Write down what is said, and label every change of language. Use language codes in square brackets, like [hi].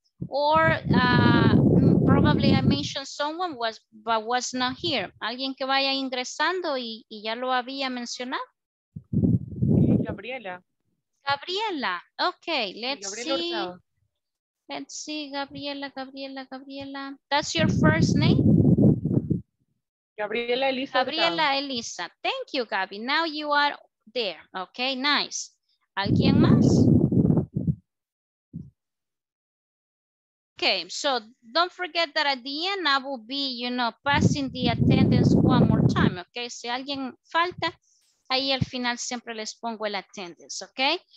[en] Or probably I mentioned someone was but was not here. [es] Alguien que vaya ingresando y ya lo había mencionado. [en] Gabriela. Okay, let's see. Gabriela. That's your first name? Gabriela Elisa. Gabriela Elisa. Thank you, Gabby. Now you are there. Okay, nice. [es] ¿Alguien más? [en] Okay, so don't forget that at the end I will be, you know, passing the attendance one more time. [es] Okay, si alguien falta, ahí al final siempre les pongo el attendance, okay?